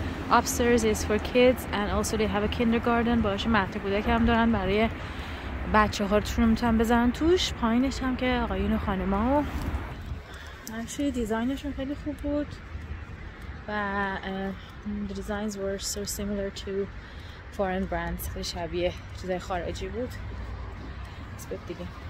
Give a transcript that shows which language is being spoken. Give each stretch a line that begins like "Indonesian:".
English: Upstairs is for kids and also they have a kindergarten.
Persian: باشه مکتب کودک هم دارن برای بچه هاتون میتونن بزنن توش. پایینش هم که آقایون و خانما. Actually دیزاینشون خیلی خوب بود.
English: و the designs were so similar to foreign brands.
Persian: خیلی شبیه چیزای خارجی بود. اسپت دیگه.